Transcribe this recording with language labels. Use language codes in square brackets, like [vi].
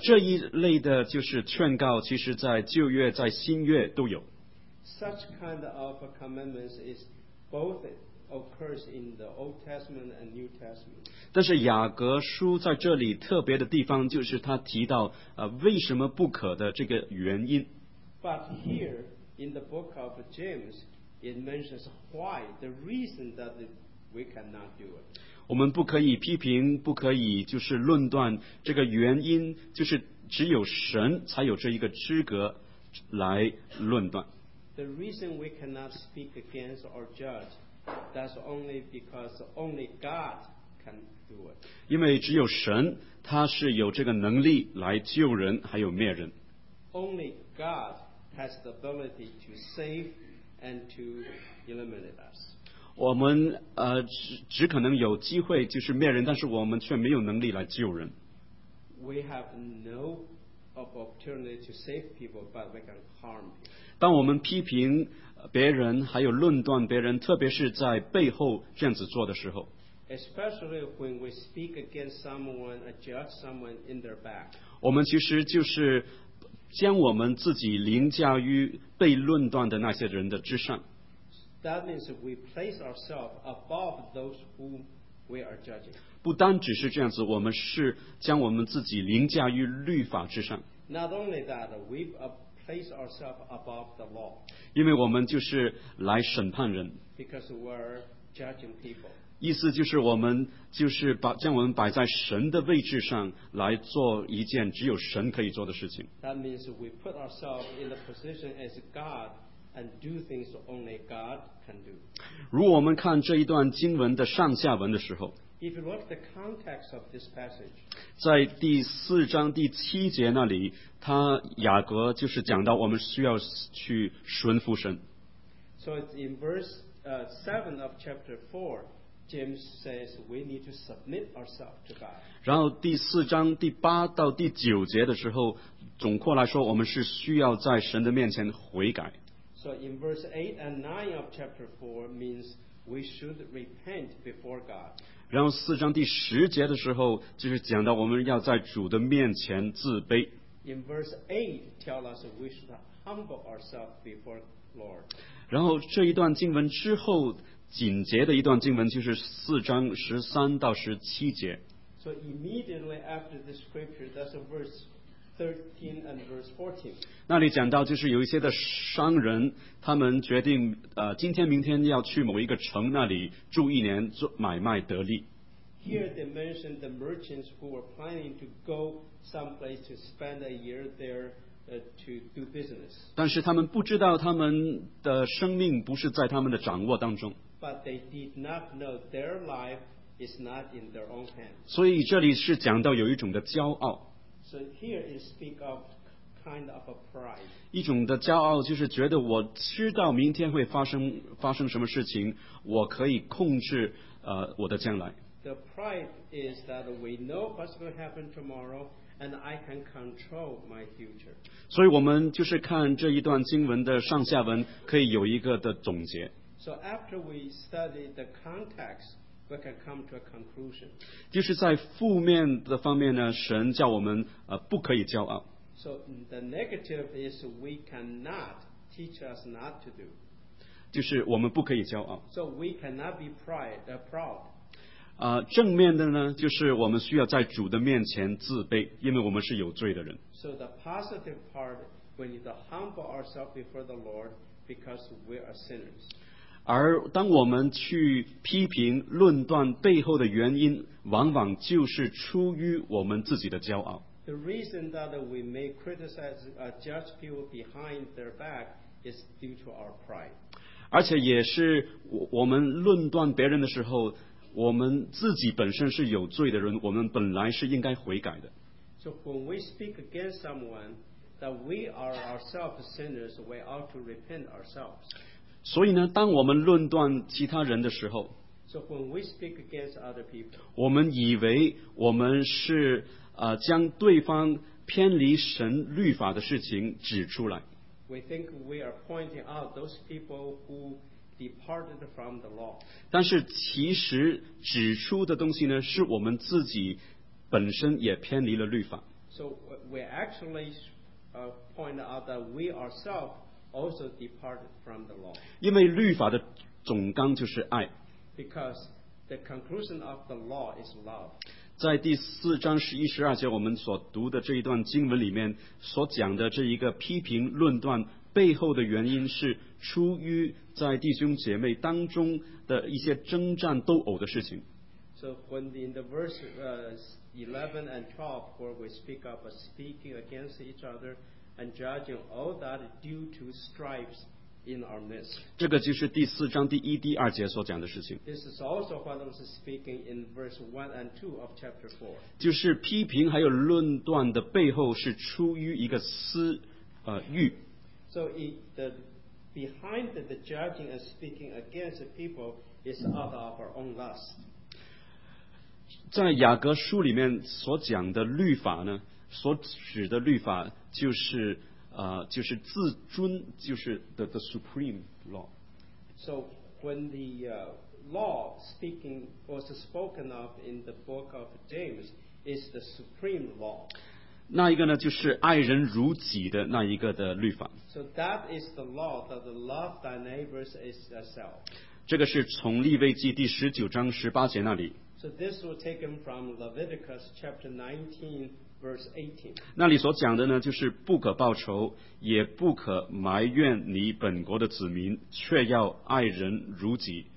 [zh] 这一类的就是劝告，其实在旧约、在新约都有。 [en] Such kind of commandments is both. Occurs in the Old Testament and New Testament. [zh] 但是雅各书在这里特别的地方就是他提到为什么不可的这个原因。 [en] But here in the book of James, it mentions why the reason that we cannot do it. [zh] 我们不可以批评，不可以就是论断，这个原因就是只有神才有这一个资格来论断。 [en] The reason we cannot speak against or judge. That's only because only God can do it. [zh] 因为只有神，他是有这个能力来救人，还有灭人。 [en] Only God has the ability to save and to eliminate us. [zh] 我们只可能有机会就是灭人，但是我们却没有能力来救人。 [en] We have no opportunity to save people, but we can harm people. [zh] 当我们批评别人还有论断别人，特别是在背后这样子做的时候， [en] Especially when we speak against someone or judge someone in their back， [zh] 我们其实就是将我们自己凌驾于被论断的那些人的之上。 [en] That means we place ourselves above those whom we are judging。 [zh] 不单只是这样子，我们是将我们自己凌驾于律法之上。 [en] Not only that, we place ourselves above the law. [zh] 因为我们就是来审判人。 [en] Because we're judging people. [zh] 意思就是我们就是将我们摆在神的位置上来做一件只有神可以做的事情。 [en] That means we put ourselves in the position as God and do things only God can do. [zh] 如我们看这一段经文的上下文的时候， [en] If you look at the context of this passage, [zh] 在第四章第七节那里，他雅各就是讲到我们需要去顺服神。 [en] So in verse 7 of chapter 4, James says we need to submit ourselves to God. [zh] 然后第四章第八到第九节的时候，总括来说，我们是需要在神的面前悔改。 [en] So in verse 8 and 9 of chapter 4 means we should repent before God. [zh] 然后四章第十节的时候，就是讲到我们要在主的面前自卑。 [en] In verse 8, tell us we should humble ourselves before Lord. [zh] 然后这一段经文之后，紧接的一段经文就是四章十三到十七节。 [en] So immediately after the scripture, that's a verse 13 and verse 14. [zh] 那里讲到就是有一些的商人，他们决定今天明天要去某一个城那里住一年，做买卖得利。 [en] Here they mention the merchants who were planning to go someplace to spend a year there to do business. [zh] 但是他们不知道他们的生命不是在他们的掌握当中。 [en] But they did not know their life is not in their own hands. [zh] 所以这里是讲到有一种的骄傲。 [en] So here is speak of kind of a pride. [zh] 一种的骄傲就是觉得我知道明天会发生什么事情，我可以控制我的将来。 [en] The pride is that we know what's going to happen tomorrow, and I can control my future. [zh] 所以我们就是看这一段经文的上下文，可以有一个的总结。 [en] So after we study the context, we can come to a conclusion. [zh] 就是在负面的方面呢，神叫我们不可以骄傲。 [en] So the negative is we cannot teach us not to do. [zh] 就是我们不可以骄傲。 [en] So we cannot be proud. [zh] 正面的呢，就是我们需要在主的面前自卑，因为我们是有罪的人。 [en] So the positive part, we need to humble ourselves before the Lord because we are sinners. [zh] 而当我们去批评、论断背后的原因，往往就是出于我们自己的骄傲。 [en] The reason that we may criticize, judge people behind their back is due to our pride. [zh] 而且也是我们论断别人的时候，我们自己本身是有罪的人，我们本来是应该悔改的。 [en] So when we speak against someone, that we are ourselves sinners, we ought to repent ourselves. [zh] 所以呢，当我们论断其他人的时候， [en] So when we speak against other people, [zh] 我们以为我们是将对方偏离神律法的事情指出来。 [en] We think we are pointing out those people who departed from the law. [zh] 但是其实指出的东西呢，是我们自己本身也偏离了律法。 [en] So we actually point out that we ourselves also departed from the law. [zh] 因为律法的总纲就是爱。 [en] Because the conclusion of the law is love. [zh] 在第四章十一十二节我们所读的这一段经文里面所讲的这一个批评论断背后的原因是出于在弟兄姐妹当中的一些征战斗殴的事情。 [en] So when in the verse 11 and 12 where we speak of speaking against each other and judging all that due to strifes in our midst. [zh] 这个就是第四章第一第二节所讲的事情。 [en] This is also what was speaking in verse 1 and 2 of chapter 4. [zh] 就是批评还有论断的背后是出于一个私欲。 [en] So behind the judging and speaking against the people is out of our own lust. [zh] 在雅各书里面所讲的律法呢，所指的律法就是就是自尊，就是 [en] the supreme law. So when the law speaking was spoken of in the book of James is the supreme law. [zh] 那一个呢，就是爱人如己的那一个的律法。 [en] So that is the law that the love thy neighbors is yourself. [zh] 这个是从利未记第十九章十八节那里。 [en] So this was taken from Leviticus chapter 19, verse 18. [zh] 那里所讲的呢，就是不可报仇，也不可埋怨你本国的子民，却要爱人如己。